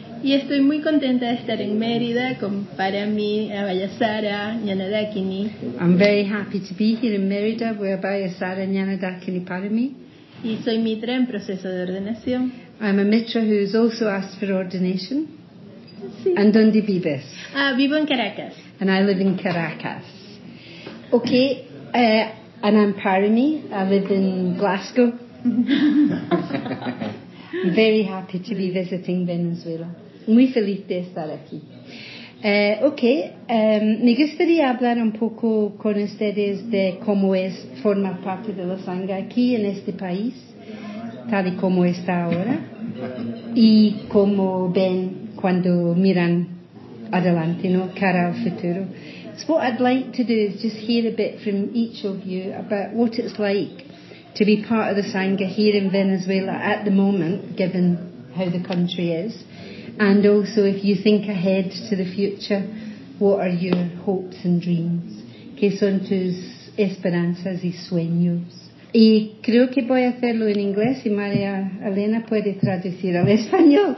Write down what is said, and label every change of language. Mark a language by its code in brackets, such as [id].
[es] Y estoy muy contenta de estar en Mérida con Parami, Abayasara, Nyanadakini. [en] I'm very happy to be here in Mérida with Abayasara, Nyanadakini, Parami. [es] Y soy Mitra en proceso de ordenación. [en] I'm a Mitra who's also asked for ordination. [es] Sí. And ¿dónde vives? Vivo en Caracas. [en] And I live in Caracas. Okay, and I'm Parami. I live in Glasgow. I'm very happy to be visiting Venezuela. [es] Muy feliz de estar aquí. Me gustaría hablar un poco con ustedes de cómo es formar parte de la Sangha aquí en este país, tal y como está ahora, y cómo ven cuando miran adelante, ¿no? Cara al futuro. [en] So what I'd like to do is just hear a bit from each of you about what it's like to be part of the Sangha here in Venezuela at the moment, given how the country is, and also if you think ahead to the future, what are your hopes and dreams? [es] ¿Qué son tus esperanzas y sueños? Y creo que voy a hacerlo en inglés y María Elena puede traducir al español.